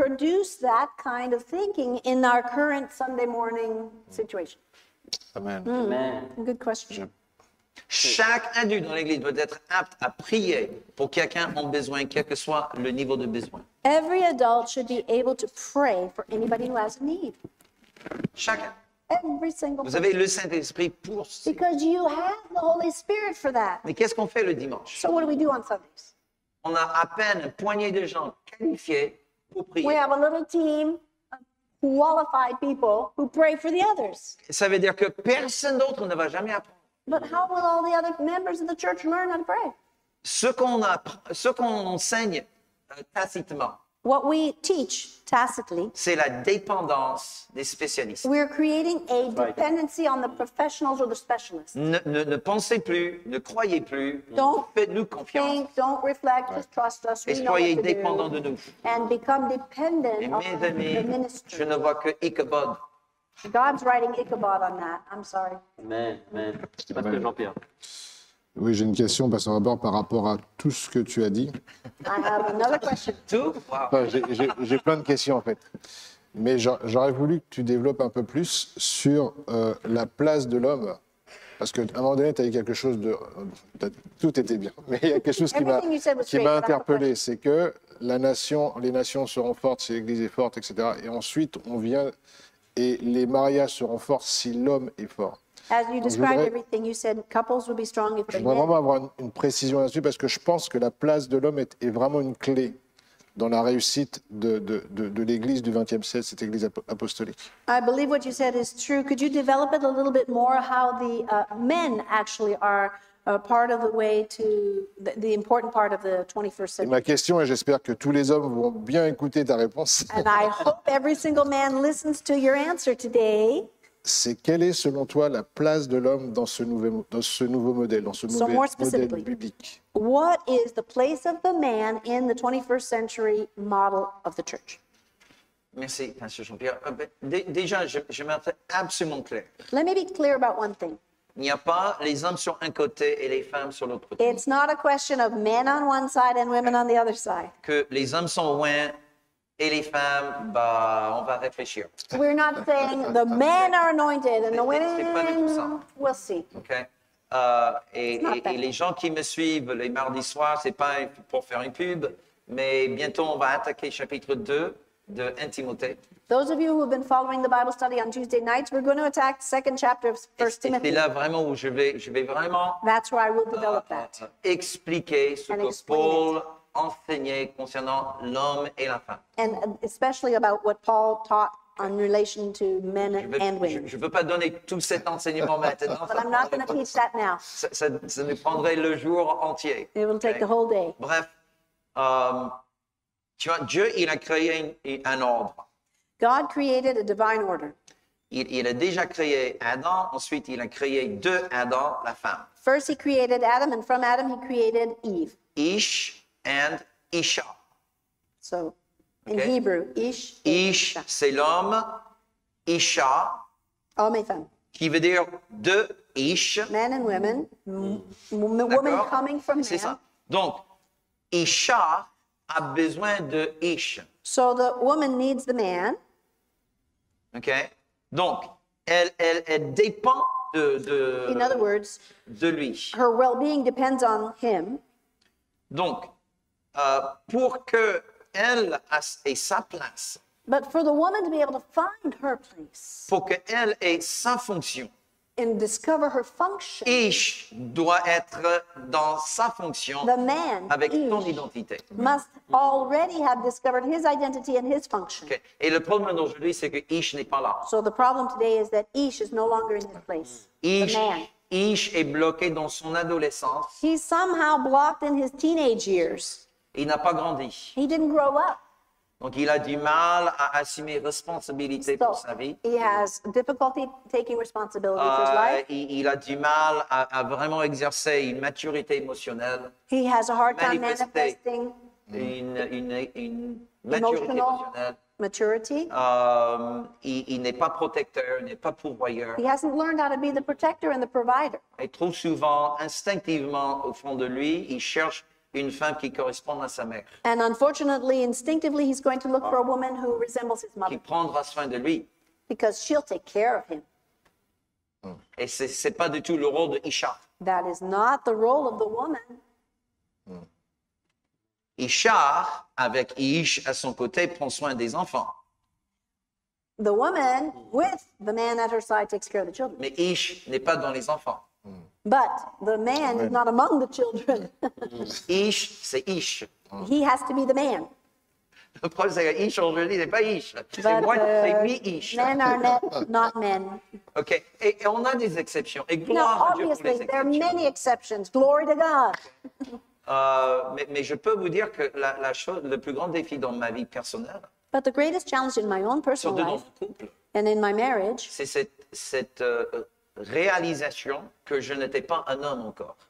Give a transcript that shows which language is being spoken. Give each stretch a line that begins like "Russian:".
English: Produce that kind of thinking in our current Sunday morning situation. Amen. Amen. Good question.
French: Chaque adulte dans l'église doit être apte à prier pour quelqu'un en besoin, quel que soit le niveau de besoin.
English: Every adult should be able to pray for anybody who has a need.
French: Chacun.
English: Every single
French: Vous avez le Saint-Esprit pour ça.
English: Because you have the Holy Spirit for that.
French: Mais qu'est-ce qu'on fait le dimanche?
English: So what do we do on Sundays?
French: On a à peine une poignée de gens qualifiés pour prier.
English: We have a little team of qualified people who pray for the others.
French: Ça veut dire que personne d'autre ne va jamais apprendre.
English: But how will all the other members of the church learn how to pray?
French: Ce qu'on enseigne tacitement.
English: What we teach tacitly,
French: c'est la dépendance des spécialistes.
English: We're creating a dependency on the professionals or the specialists.
French: Ne pensez plus, ne croyez plus, faites-nous confiance.
English: Don't reflect, just trust us.
French: Et soyez dépendants de nous.
English: And become dependent
French: Et mes amis,
English: on the ministry.
French: Je ne vois que Ichabod.
English: God's writing Ichabod on that. I'm sorry.
French: Amen. Parce que Jean-Pierre. Oui, j'ai une question, parce que d'abord, par rapport à tout ce que tu as dit.
English: I have another question.
French: Tout wow. Enfin, j'ai plein de questions, en fait. Mais j'aurais voulu que tu développes un peu plus sur la place de l'homme. Parce qu'à un moment donné, tu as dit quelque chose de... Tout était bien. Mais il y a quelque chose qui m'a interpellé. C'est que les nations seront fortes si l'Église est forte, etc. Et ensuite, on vient... Et les mariages seront forts si l'homme est fort.
English: As you described everything, you said couples will be strong if they.
French: Je voudrais vraiment avoir une précision là-dessus parce que je pense que la place de l'homme est vraiment une clé dans la réussite de l'Église du XXe siècle, cette Église apostolique.
English: I believe what you said is true. Could you develop it a little bit more? How the men actually are part of the way to the important part of the 21st century.
French: Et ma question, et j'espère que tous les hommes vont bien écouter ta réponse.
English: And I hope every single man listens to your answer today.
French: C'est quelle est, selon toi, la place de l'homme dans ce nouveau modèle, dans ce nouveau modèle biblique?
English: What is the place of the man in the 21st century model of the church?
French: Merci, Pasteur Jean-Pierre. Déjà, je m'attends absolument clair.
English: Let me be clear about one thing.
French: Il n'y a pas les hommes sur un côté et les femmes sur l'autre côté.
English: It's not a question of men on one side and women on the other side.
French: Que les hommes sont loin. Et les femmes, bah, on va réfléchir.
English: We're not saying the men are anointed and the women.
French: C'est pas du tout ça.
English: We'll see. Okay.
French: Et les gens qui me suivent les mardis soirs, c'est pas pour faire une pub, mais bientôt on va attaquer chapitre 2 de 1 Timothée.
English: Those of you who have been following the Bible study on Tuesday nights, we're going to attack the second chapter of 1 Timothy.
French: C'est là vraiment où je vais vraiment.
English: That's where I will develop that.
French: Expliquer ce que Paul enseigner concernant l'homme et la femme.
English: And especially about what Paul taught in relation to men and women.
French: Je ne veux pas donner tout cet enseignement maintenant.
English: But I'm not going to teach that now.
French: Ça nous prendrait le jour entier.
English: It will take the whole day.
French: Bref, tu vois, Dieu, il a créé un ordre.
English: God created a divine order.
French: Il a déjà créé Adam, ensuite il a créé de Adam, la femme.
English: First he created Adam, and from Adam he created Eve. Ish. And Isha. So, in okay. Hebrew, Ish.
French: Ish, c'est l'homme. Isha. Homme et femme. Qui veut dire deux Ish.
English: Men and women. Women coming from men.
French: C'est ça. Donc, Isha a besoin de Ish.
English: So the woman needs the man.
French: Okay. Donc, elle dépend
English: in other words,
French: de lui.
English: Her well-being depends on him.
French: Donc, pour que elle ait sa place.
English: But for the woman to be able to find her place.
French: Pour que elle ait sa fonction.
English: And discover her function.
French: Ish doit être dans sa fonction.
English: The man,
French: avec Ish, ton identité.
English: Must already have discovered his identity and his function. Okay.
French: Et le problème aujourd'hui, c'est que Ish n'est pas là.
English: So the problem today is that Ish is no longer in his place. Ish, the man.
French: Ish est bloqué dans son adolescence.
English: He's somehow blocked in his teenage years.
French: Il n'a pas grandi.
English: He didn't grow up.
French: Donc, il a du mal à assumer responsabilité
English: so,
French: pour sa vie.
English: He has difficulty taking responsibility for his life.
French: Il a du mal à vraiment exercer une maturité émotionnelle.
English: He has a hard time manifesting
French: une maturité émotionnelle.
English: Maturity.
French: Il n'est pas protecteur, il n'est pas pourvoyeur.
English: He hasn't learned how to be the protector and the provider.
French: Et trop souvent, instinctivement, au fond de lui, il cherche une femme qui correspond à sa mère.
English: And unfortunately, instinctively, he's going to look for a woman who resembles his mother.
French: Qui prendra soin de lui.
English: Because she'll take care of him.
French: Et c'est pas du tout le rôle de Isha.
English: That is not the role of the woman.
French: Isha, avec Ish à son côté, prend soin des enfants.
English: The woman, with the man at her side, takes care of the children.
French: Mais Ish n'est pas dans les enfants.
English: But the man is not among the children.
French: Ish, c'est Ish.
English: He has to be the man.
French: Le problème, c'est qu'Ish aujourd'hui n'est pas Ish.
English: But
French: c'est moi, c'est me Ish.
English: Men are not men.
French: OK. Et on a des exceptions. Et gloire à Dieu pour les exceptions.
English: No, obviously, there are many exceptions. Glory to God.
French: mais je peux vous dire que la chose, le plus grand défi dans ma vie personnelle,
English: but the greatest challenge in my own personal life, and in my marriage,
French: c'est cette réalisation que je n'étais pas un homme encore.